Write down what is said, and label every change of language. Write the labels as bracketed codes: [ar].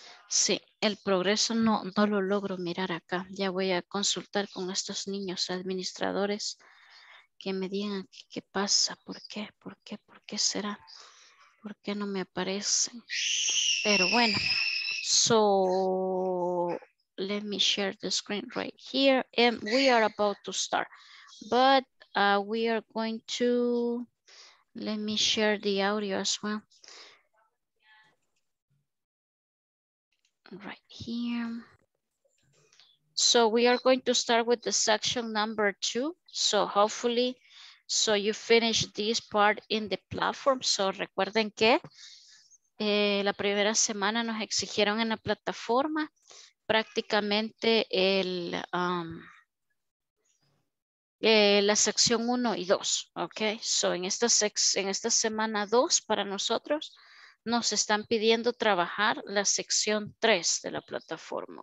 [es] Sí, el progreso no lo logro mirar acá. Ya voy a consultar con estos niños administradores que me digan qué pasa, por qué será, por qué no me aparecen. Pero bueno, [en] so let me share the screen right here and we are about to start. But we are going to, let me share the audio as well. Right here. So we are going to start with the section number 2. So hopefully, so you finish this part in the platform. [es] So recuerden que la primera semana nos exigieron en la plataforma prácticamente el la sección 1 y 2. Ok, so en esta semana 2 para nosotros nos están pidiendo trabajar la sección 3 de la plataforma.